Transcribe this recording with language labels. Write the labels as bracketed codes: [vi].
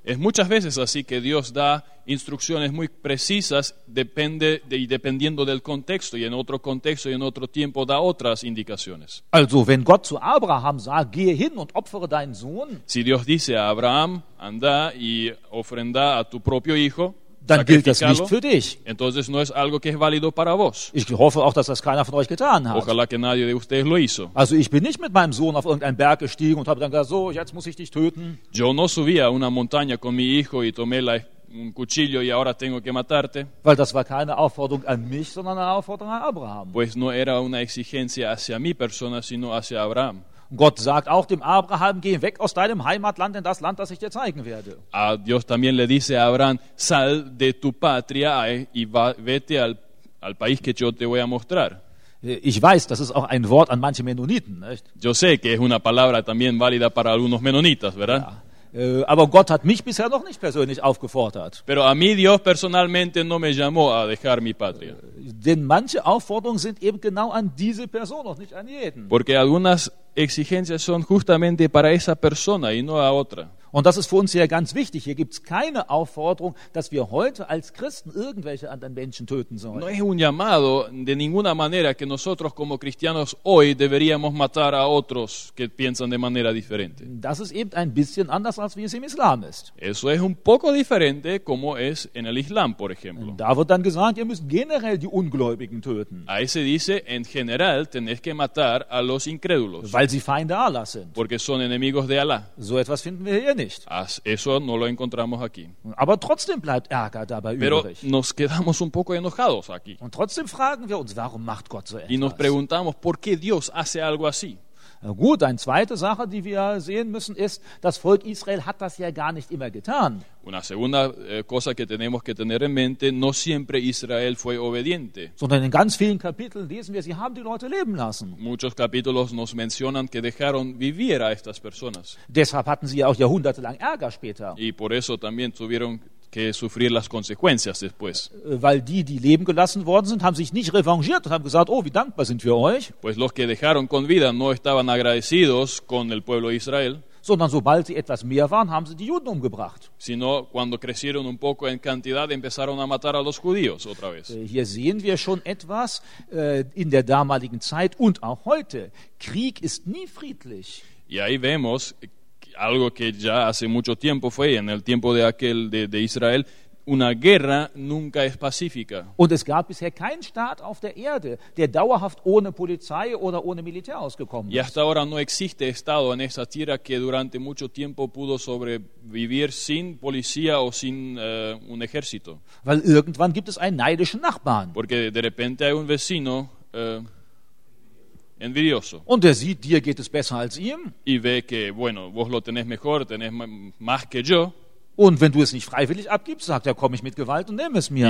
[es] Es muchas veces así que Dios da instrucciones muy precisas, depende de, y dependiendo del contexto y en otro tiempo da otras indicaciones. [de] Also, wenn Gott zu Abraham sagt, gehe hin und opfere deinen Sohn. [es] Si Dios dice a Abraham, anda y ofrenda a tu propio hijo. [de] Dann gilt das nicht für dich. [es] Entonces no es algo que es válido para vos. [de] Ich hoffe auch, dass das keiner von euch getan hat. [es] Ojalá que nadie de ustedes lo hizo. [de] Also ich bin nicht mit meinem Sohn auf irgendeinen Berg gestiegen und habe dann gesagt, so, jetzt muss ich dich töten. [es] Yo no subí a una montaña con mi hijo y tomé la un cuchillo y ahora tengo que matarte. [de] Weil das war keine Aufforderung an mich, sondern eine Aufforderung an Abraham. [es] Pues no era una exigencia hacia mi persona, sino hacia Abraham. [de] Gott sagt auch dem Abraham, geh weg aus deinem Heimatland in das Land, das ich dir zeigen werde. [es] A Dios también le dice a Abraham, sal de tu patria y vete al país que yo te voy a mostrar. [de] Ich weiß, das ist auch ein Wort an manche Mennoniten, nicht? [es] Yo sé que es una palabra también válida para algunos menonitas, ¿verdad? [de] Ja. Aber Gott hat mich bisher noch nicht persönlich aufgefordert. [es] Pero a mí Dios personalmente no me llamó a dejar mi patria. [de] Denn manche Aufforderungen sind eben genau an diese Person, noch nicht an jeden. [es] Porque algunas exigencias son justamente para esa persona y no a otra. [de] Und das ist für uns hier ganz wichtig. Hier gibt es keine Aufforderung, dass wir heute als Christen irgendwelche anderen Menschen töten sollen. [es] No es un llamado de ninguna manera que nosotros como cristianos hoy deberíamos matar a otros que piensan de manera diferente. [de] Das ist eben ein bisschen anders, als wie es im Islam ist. [es] Eso es un poco diferente como es en el Islam, por ejemplo. [de] Da wird dann gesagt, ihr müsst generell die Ungläubigen töten. [es] Ahí se dice, en general tenés que matar a los incrédulos. [de] Weil sie Feinde Allah sind. [es] Porque son enemigos de Allah. [de] So etwas finden wir hier nicht. [es] Eso no lo encontramos aquí. [de] Aber trotzdem bleibt Ärger dabei [es] Pero [de] übrig. [es] Nos quedamos un poco enojados aquí. [de] Und trotzdem fragen wir uns, warum macht Gott so etwas? [es] Y nos preguntamos, ¿por qué Dios hace algo así? [de] Gut, eine zweite Sache, die wir sehen müssen, ist, das Volk Israel hat das ja gar nicht immer getan. [es] Una segunda cosa que tenemos que tener en mente, no siempre Israel fue obediente. [de] Sondern in ganz vielen Kapiteln lesen wir, sie haben die Leute leben lassen. [es] Muchos capítulos nos mencionan que dejaron vivir a estas personas. [de] Deshalb hatten sie ja auch jahrhundertelang Ärger später. [es] Y por eso también tuvieron que sufrir las consecuencias después. [de] Weil die, die leben gelassen worden sind, haben sich nicht revanchiert und haben gesagt, oh, wie dankbar sind wir euch. [es] Pues los que dejaron con vida no estaban agradecidos con el pueblo de Israel. [de] Sondern sobald sie etwas mehr waren, haben sie die Juden umgebracht. [es] Sino cuando crecieron un poco en cantidad, empezaron a matar a los judíos otra vez. [de] Hier sehen wir schon etwas in der damaligen Zeit und auch heute. Krieg ist nie friedlich. [es] Y ahí vemos algo que ya hace mucho tiempo fue, en el tiempo de aquel de Israel, una guerra nunca es pacífica. [de] Und es gab bisher keinen Staat auf der Erde, der dauerhaft ohne Polizei oder ohne Militär ausgekommen ist. [es] Y hasta ahora no existe Estado en esta tierra que durante mucho tiempo pudo sobrevivir sin policía o sin un ejército. [de] Weil irgendwann gibt es einen neidischen Nachbarn. [es] Porque de repente hay un vecino envidioso. [de] Und er sieht, dir geht es besser als ihm. [es] Y ve que, bueno, vos lo tenés mejor, tenés más que yo. [de] Und wenn du es nicht freiwillig abgibst, sagt er, komme ich mit Gewalt und nehme es mir.